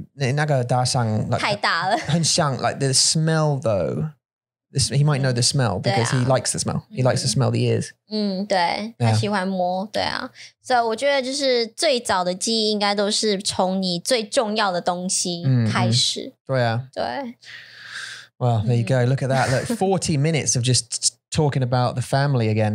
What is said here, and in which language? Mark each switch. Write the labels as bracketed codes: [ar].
[zh] 我们应该是要现在，我不知道哎，不知道，但是那个大象 [en] like the smell though, he might know the smell because he likes the smell. He likes to smell the ears. [zh] 嗯，对，他喜欢摸，对啊。所以我觉得就是最早的记忆应该都是从你最重要的东西开始。对啊，对。 [en] Well, there you go. Look at that. Look, 40 minutes of just talking about the family again.